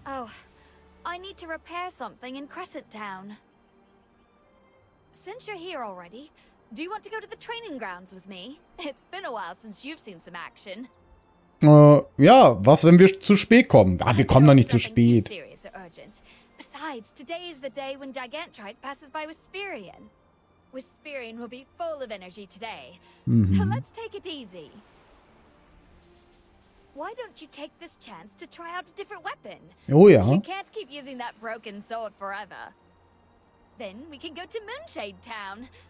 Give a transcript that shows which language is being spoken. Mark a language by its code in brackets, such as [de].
[en] Oh, I need to repair something in Crescent Town. Since you're here already, do you want to go to the training grounds with me? It's been a while since you've seen some action. [de] Ja, was, wenn wir zu spät kommen? Ah, wir kommen doch nicht zu spät. [en] Besides, today is the day when Gigantrite passes by Whisperion. Whisperion will be full of energy today. So let's take it easy. Why don't you take this chance to try out a different weapon? [de] Oh ja. [en] You can't keep using that broken sword forever. Then we can go to Moonshade Town.